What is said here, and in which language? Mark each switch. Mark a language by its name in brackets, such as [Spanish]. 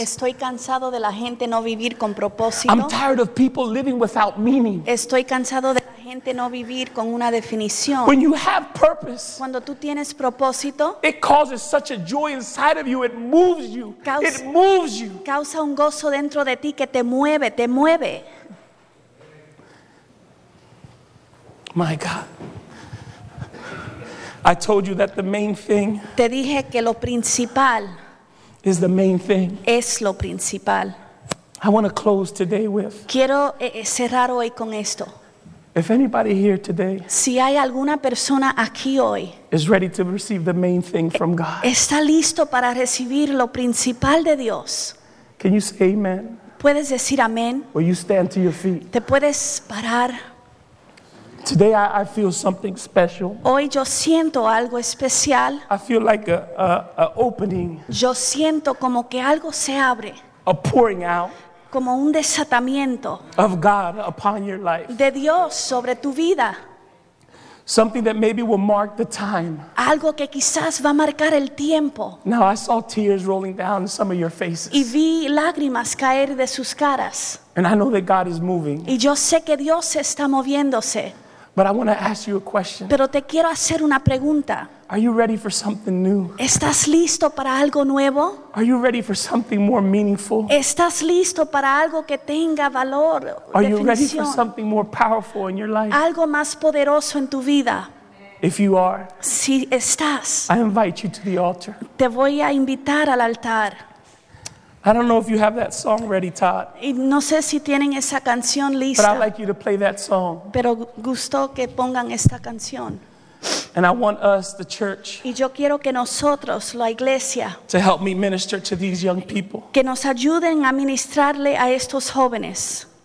[Spanish] Estoy cansado de la gente no vivir con propósito. [English] I'm tired of people living without meaning. [Spanish] Estoy cansado de la gente no vivir con una definición. [English] When you have purpose, [Spanish] cuando tú tienes propósito, [English] it causes such a joy inside of you. It moves you. [Spanish] Causa un gozo dentro de ti que te mueve. [English] My God. I told you that the main thing, [Spanish] te dije que lo principal, [English] is the main thing, [Spanish] es lo principal. [English] I want to close today with, [Spanish] quiero cerrar hoy con esto. [English] If anybody here today, [Spanish] si hay alguna persona aquí hoy, [English] is ready to receive the main thing from God, [Spanish] está listo para recibir lo principal de Dios, [English] can you say amen? [Spanish] Puedes decir amén. [English] Will you stand to your feet? [Spanish] Te puedes parar. [English] Today I feel something special. [Spanish] Hoy yo siento algo especial. [English] I feel like a opening. [Spanish] Yo siento como que algo se abre. [English] A pouring out. [Spanish] Como un desatamiento. [English] Of God upon your life. [Spanish] De Dios sobre tu vida. [English] Something that maybe will mark the time. [Spanish] Algo que quizás va a marcar el tiempo. [English] Now I saw tears rolling down some of your faces. [Spanish] Y vi lágrimas caer de sus caras. [English] And I know that God is moving. [Spanish] Y yo sé que Dios está moviéndose. [English] But I want to ask you a question. [Spanish] Pero te quiero hacer una pregunta. [English] Are you ready for something new? [Spanish] ¿Estás listo para algo nuevo? [English] Are you ready for something more meaningful? [Spanish] ¿Estás listo para algo que tenga valor? [English] Are [Spanish] definición? [English] You ready for something more powerful in your life? [Spanish] ¿Algo más poderoso en tu vida? [English] If you are, [Spanish] si estás, [English] I invite you to the altar. [Spanish] Te voy a invitar al altar. [English] I don't know if you have that song ready, Todd. [Spanish] No sé si tienen esa canción lista. [English] But I'd like you to play that song. [Spanish] Pero gusto que pongan esta canción. [English] And I want us, the church, [Spanish] y yo quiero que nosotros, la iglesia, [English] to help me minister to these young people. [Spanish] Que nos ayuden a ministrarle a estos jóvenes.